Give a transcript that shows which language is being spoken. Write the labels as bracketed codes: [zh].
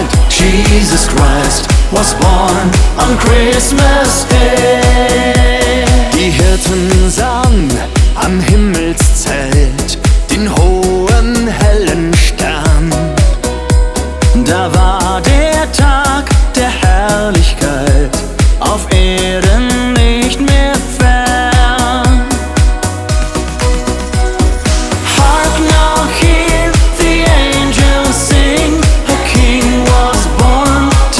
[en] Jesus Christ was born on Christmas Day. [de] Die Hirten sahen am Himmelszelt den hohen hellen Stern. Da war der Tag der Herrlichkeit auf Erden nicht mehr fern. [en] Hark now, hear the angels sing, a king was born.